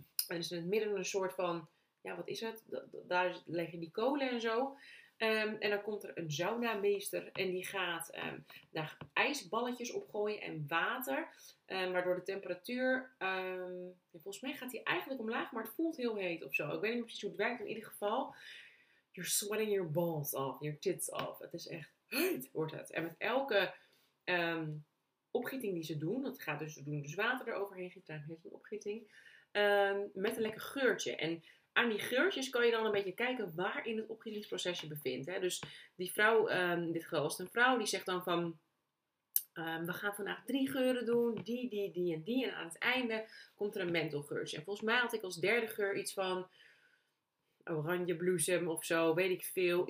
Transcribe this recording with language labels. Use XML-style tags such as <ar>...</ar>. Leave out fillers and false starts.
<nl>En is in het midden een soort van, ja, wat is het? Daar leg je die kolen en zo. En dan komt er een saunameester en die gaat daar ijsballetjes opgooien en water. Waardoor de temperatuur, volgens mij gaat die eigenlijk omlaag, maar het voelt heel heet of zo. Ik weet niet precies hoe het werkt, in ieder geval.</nl> <en>You're sweating your balls off, your tits off.</en> <nl>Het is echt heet, wordt het. En met elke opgieting die ze doen, dat gaat dus, ze doen dus water eroverheen, je krijgt een opgieting, met een lekker geurtje. En aan die geurtjes kan je dan een beetje kijken waar in het opgietingsproces je bevindt. Hè? Dus die vrouw, in dit geval is het een vrouw, die zegt dan van, we gaan vandaag 3 geuren doen, die en die. En aan het einde komt er een mentholgeurtje. En volgens mij had ik als derde geur iets van oranje bloesem of zo, weet ik veel.</nl>